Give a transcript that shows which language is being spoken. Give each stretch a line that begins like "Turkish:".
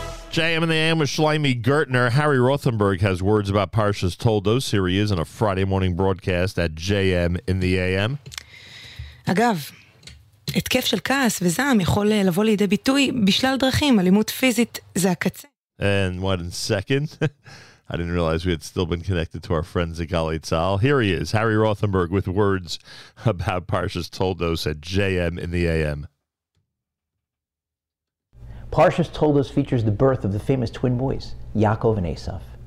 English: JM and the AM with Shlaimi Gertner. Harry Rothenberg has words about Parshas Toldos. Here he is on a Friday morning broadcast at JM in the AM.
Hebrew: אגב, התקף של כעס וזעם יכול לבוא לידי ביטוי בשלל דרכים. אלימות פיזית זה הקצה.
English: And one second. I didn't realize we had still been connected to our friends at Gali Tzal. Here he is, Harry Rothenberg, with words about Parshas Toldos at JM in the AM. Parshas Toldos features the birth of the famous twin boys, Yaakov and Esav.